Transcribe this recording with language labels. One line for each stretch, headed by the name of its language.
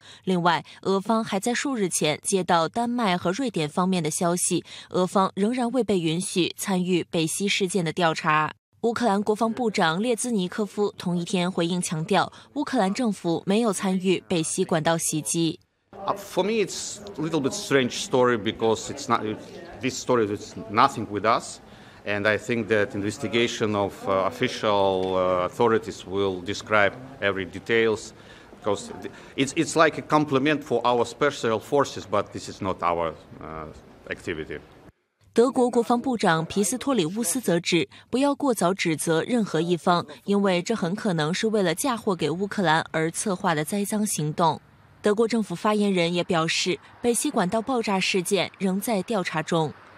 Chinese: 另外，俄方还在数日前接到丹麦和瑞典方面的消息，俄方仍然未被允许参与北溪事件的调查。乌克兰国防部长列兹尼科夫同一天回应强调，乌克兰政府没有参与北溪管道袭击。
English: For me, it's a little bit strange story because it's not this story is nothing with us, and I think that investigation of official authorities will describe every details. Because it's like a compliment for our special forces, but this is not our activity.
Chinese: 德国国防部长皮斯托里乌斯则指，不要过早指责任何一方，因为这很可能是为了嫁祸给乌克兰而策划的栽赃行动。德国政府发言人也表示，北溪管道爆炸事件仍在调查中。